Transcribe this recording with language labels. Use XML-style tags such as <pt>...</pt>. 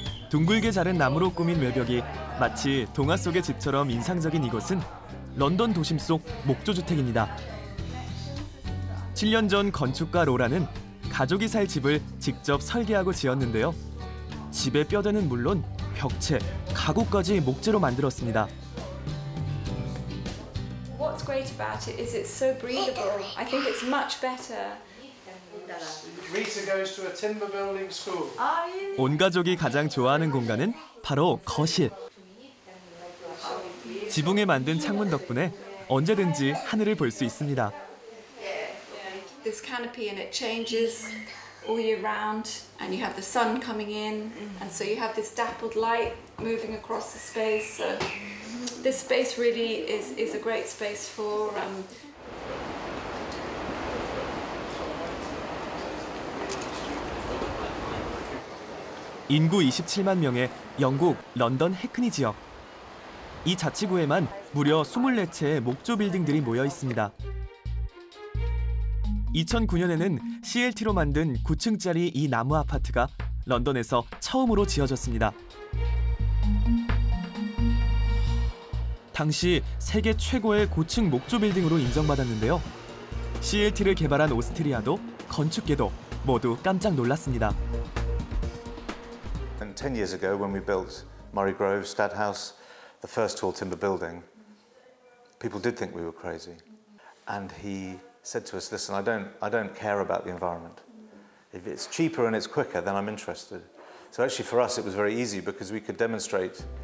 <ko>둥글게 자른 나무로 꾸민 외벽이 마치 동화 속의 집처럼 인상적인 이곳은 런던 도심 속 목조 주택입니다. 7년 전 건축가 로라는 가족이 살 집을 직접 설계하고 지었는데요. 집의 뼈대는 물론 벽체, 가구까지 목재로 만들었습니다.</ko> <en>What's great about it is it's so breathable. I think it's much better. Rita goes to a timber building school.</en> <ko>온 가족이 가장 좋아하는 공간은 바로 거실. 지붕에 만든 창문 덕분에 언제든지 하늘을 볼 수 있습니다.</ko> <en>This canopy and it changes all year round and you have the sun coming in and so you have this dappled light moving across the space. So this space really is a great space for</en> <ko>인구 27만 명의 영국 런던 해크니 지역. 이 자치구에만 무려 24채의 목조 빌딩들이 모여 있습니다. 2009년에는 CLT로 만든 9층짜리 이 나무 아파트가 런던에서 처음으로 지어졌습니다. 당시 세계 최고의 고층 목조 빌딩으로 인정받았는데요. CLT를 개발한 오스트리아도 건축계도 모두 깜짝 놀랐습니다.</ko> <en>And 10 years ago when we built Murray Grove Stadthouse, the first tall timber building, people did think we were crazy. And he said to us, listen, I don't care about the environment. If it's cheaper and it's quicker, then I'm interested. So actually for us, it was very easy because we could demonstrate.</en>